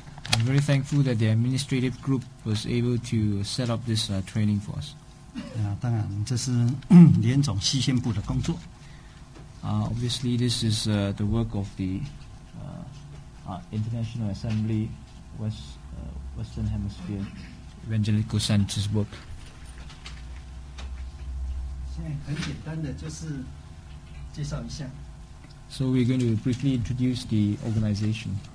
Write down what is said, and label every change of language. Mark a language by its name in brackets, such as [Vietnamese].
[English] I'm very thankful that the administrative group was able to set up this training for us. [Chinese] 当然这是联总西线部的工作。 [English] Obviously, this is the work of the International Assembly Western Hemisphere Evangelical Center's work. [Chinese] 现在很简单的就是介绍一下。 [English] So we're going to briefly introduce the organization.